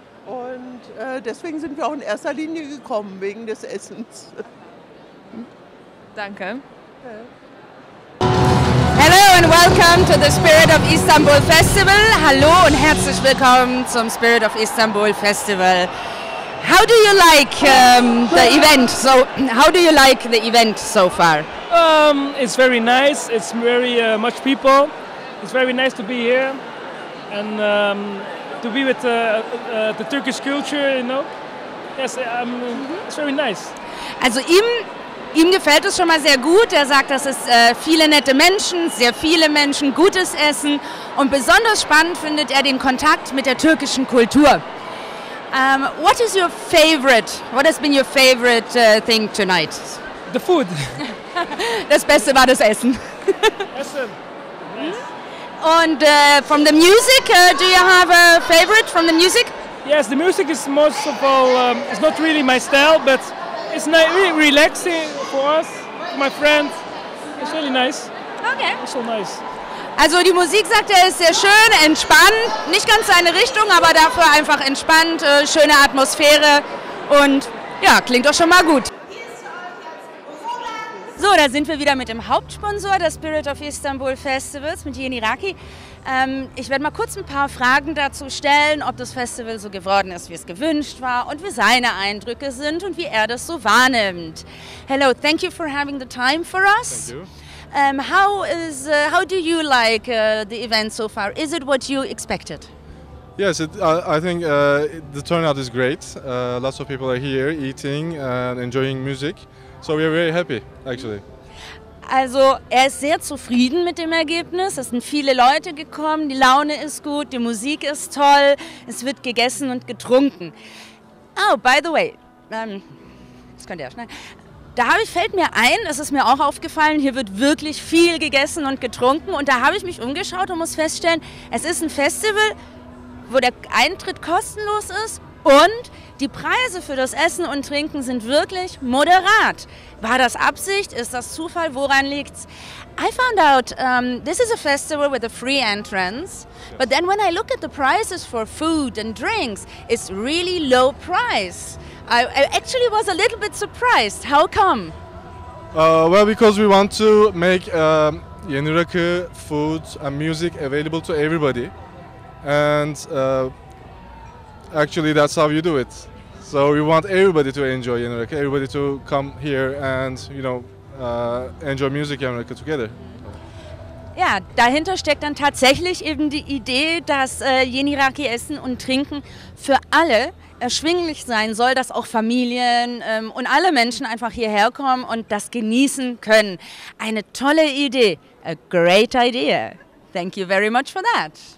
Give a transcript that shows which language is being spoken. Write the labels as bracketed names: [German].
[German] Und deswegen sind wir auch in erster Linie gekommen, wegen des Essens. Danke. [English] Hello and welcome to the Spirit of Istanbul Festival. [German] Hallo und herzlich willkommen zum Spirit of Istanbul Festival. [English] How do you like the event? So, how do you like the event so far? It's very nice. It's very much people. It's very nice to be here and to be with the Turkish culture. You know, yes, it's very nice. [German] Also ihm gefällt es schon mal sehr gut. Er sagt, das ist viele nette Menschen, sehr viele Menschen, gutes Essen und besonders spannend findet er den Kontakt mit der türkischen Kultur. [English] What is your favorite? What has been your favorite thing tonight? The food. [German] Das Beste war das Essen. Essen. [English] And from the music, do you have a favorite from the music? Yes, the music is most of all, it's not really my style, but it's really relaxing for us, for my friends. It's really nice. Okay. It's so nice. [German] Also die Musik, sagt er, ist sehr schön, entspannt, nicht ganz seine Richtung, aber dafür einfach entspannt, schöne Atmosphäre und ja, klingt doch schon mal gut. So, da sind wir wieder mit dem Hauptsponsor des Spirit of Istanbul Festivals, mit Yeni Raki. Ich werde mal kurz ein paar Fragen dazu stellen, ob das Festival so geworden ist, wie es gewünscht war und wie seine Eindrücke sind und wie er das so wahrnimmt. [English] Hello, thank you for having the time for us. Thank you. How do you like the event so far? Is it what you expected? Yes, I think the turnout is great. Lots of people are here eating and enjoying music. So we are very happy, actually. [German] Also, er ist sehr zufrieden mit dem Ergebnis. Es sind viele Leute gekommen, die Laune ist gut, die Musik ist toll, es wird gegessen und getrunken. [English] Oh, by the way, [German] das könnt ihr ja schneiden. Da fällt mir ein, es ist mir auch aufgefallen, hier wird wirklich viel gegessen und getrunken. Und da habe ich mich umgeschaut und muss feststellen, es ist ein Festival, wo der Eintritt kostenlos ist und die Preise für das Essen und Trinken sind wirklich moderat. War das Absicht? Ist das Zufall? Woran liegt's? [English] I found out this is a festival with a free entrance, yes. But then when I look at the prices for food and drinks, it's really low price. I actually was a little bit surprised. How come? Well, because we want to make Yenirakı food and music available to everybody. And actually, that's how you do it. So we want everybody to enjoy Yenirakı, everybody to come here and, you know, enjoy music Yenirakı together. [German] Ja, dahinter steckt dann tatsächlich eben die Idee, dass Yenirakı Essen und Trinken für alle erschwinglich sein soll, dass auch Familien und alle Menschen einfach hierher kommen und das genießen können. Eine tolle Idee. [English] A great idea. Thank you very much for that.